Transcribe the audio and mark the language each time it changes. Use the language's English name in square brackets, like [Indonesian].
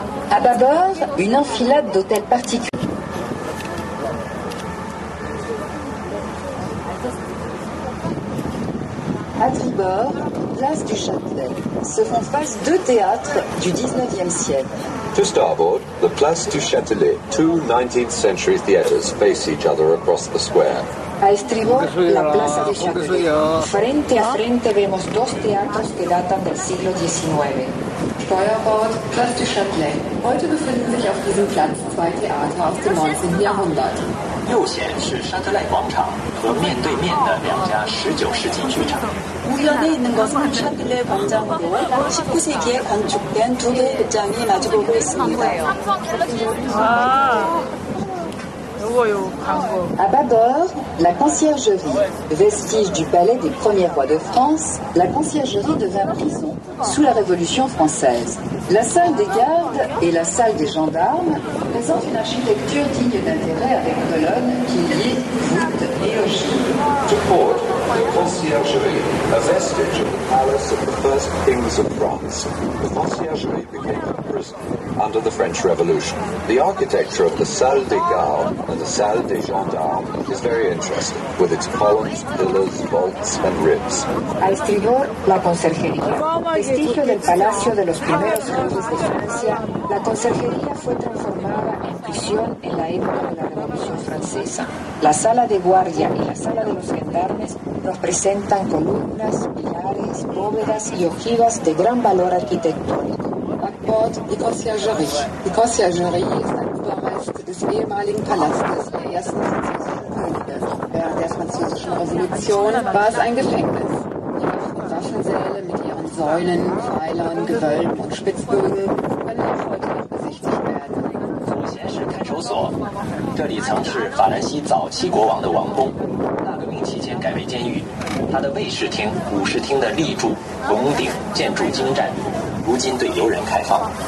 [French] À bâbord, une enfilade d'hôtels particuliers. À tribord, place du Châtelet, se font face deux théâtres du 19e siècle. [English] To starboard, the Place du Châtelet, two 19th century theatres face each other across the square. [Spanish] A estribor, la Plaza du Châtelet. Frente a frente vemos dos teatros que datan del siglo XIX. [German] Steuerbord, Place du Châtelet. Heute befinden sich auf diesem Platz zwei Theater aus dem 19. Jahrhundert. [Chinese] 右舷是沙特赖广场和面对面的两家十九世纪剧场。 [Korean] 우연에있는것은샤틀레광장으로19세기에건축된두개의극장이마주보고있습니다 [French] À bâbord, la conciergerie, vestige du palais des premiers rois de France, la conciergerie devint prison sous la Révolution française. La salle des gardes et la salle des gendarmes présentent une architecture digne d'intérêt avec colonnes qui lient voûte et ogives. [English] To port, the conciergerie, a vestige of the palace of the first kings of France. The conciergerie became a prison under the French Revolution. The architecture of the salle des gardes and the salle des gendarmes is very interesting, with its columns, pillars, vaults, and ribs. [Spanish] A estribor, la conciergerie. Vestigio del palacio de los primeros reyes de Francia, la conciergerie fue transformada en prisión en la época de la Revolución Francesa. La sala de guardia y la sala de los gendarmes nos presentan columnas, pilares, bóvedas y ojivas de gran valor arquitectónico. [German] Backboard, die Conciergerie. Die Conciergerie ist ein Überrest des ehemaligen Palastes der ersten französischen Könige. Während der französischen Revolution war es ein Gefängnis. Die Waffensäle mit ihren Säulen, Pfeilern, Gewölben und Spitzbögen können auch heute noch besichtigt werden. [Chinese] 这里曾是法兰西早期国王的王宫，大革命期间改为监狱。他的卫士厅、武士厅的立柱、拱顶建筑精湛，如今对游人开放。